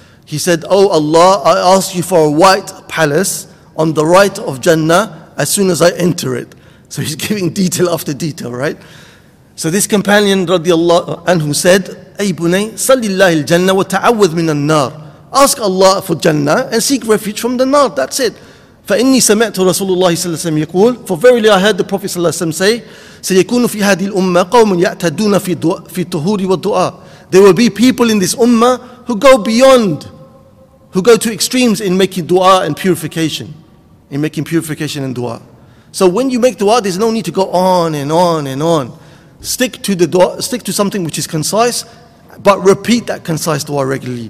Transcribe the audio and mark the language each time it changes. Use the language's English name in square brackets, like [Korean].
[English] He said, oh Allah, I ask you for a white palace on the right of Jannah as soon as I enter it. So he's giving detail after detail, right? So this companion radiallahu anhu said, [Arabic] ay bunay, salillahi al-jannah wa ta'awwad min al-nar. [English] Ask Allah for Jannah and seek refuge from the nar. That's it. [Arabic] فإني سمعت رسول الله صلى الله عليه وسلم يقول, [English] for verily I heard the Prophet [Arabic] صلى الله عليه وسلم say, سيكون في هذه الأمة قوم يعتدون في دو في طهور والدعاء. [English] There will be people in this ummah who go beyond, who go to extremes in making dua and purification, in making purification and dua. So when you make dua, there's no need to go on and on and on. Stick to the dua, stick to something which is concise, but repeat that concise dua regularly.